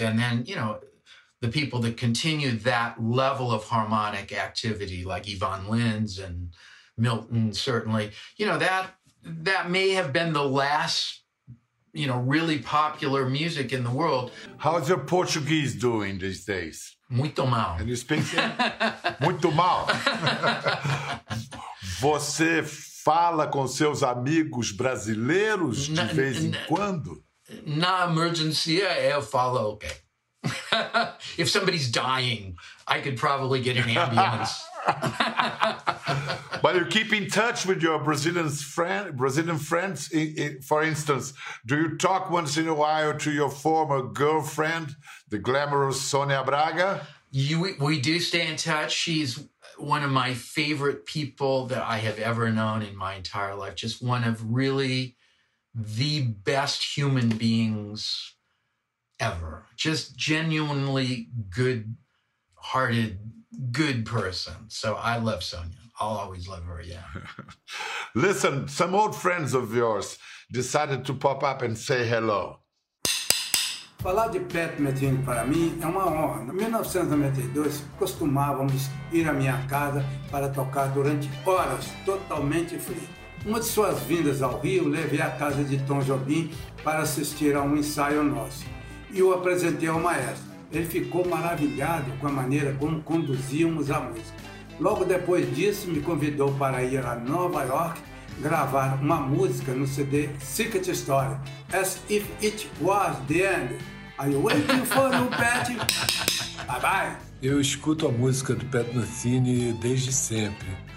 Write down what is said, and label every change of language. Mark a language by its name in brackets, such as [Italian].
[English] And then, you know, the people that continued that level of harmonic activity, like Yvonne Linz and Milton, certainly, you know, that may have been the last, you know, really popular music in the world. How's your Portuguese doing these days? [Portuguese] Muito mal. [English] Can you speak it? [Portuguese] Muito mal. Você fala com seus amigos brasileiros de vez em quando? Na emergency, eu falo, okay. [English] If somebody's dying, I could probably get an ambulance. But you keep in touch with your Brazilian friends. For instance, do you talk once in a while to your former girlfriend, the glamorous Sonia Braga? We do stay in touch. She's one of my favorite people that I have ever known in my entire life. Just one of really the best human beings ever. Just genuinely good-hearted, good person. So I love Sonia. I'll always love her, yeah. Listen, some old friends of yours decided to pop up and say hello. [Portuguese] Falar de Pat Metheny para mim é uma honra. Em 1992, costumávamos ir à minha casa para tocar durante horas, totalmente free. Uma de suas vindas ao Rio, levei à casa de Tom Jobim para assistir a um ensaio nosso. E o apresentei ao maestro. Ele ficou maravilhado com a maneira como conduzíamos a música. Logo depois disso, me convidou para ir a Nova York gravar uma música no CD Secret Story, As If It Was The End. [English] Are you waiting for you, Pat? Bye-bye. [Portuguese] Eu escuto a música do Pat Metheny desde sempre.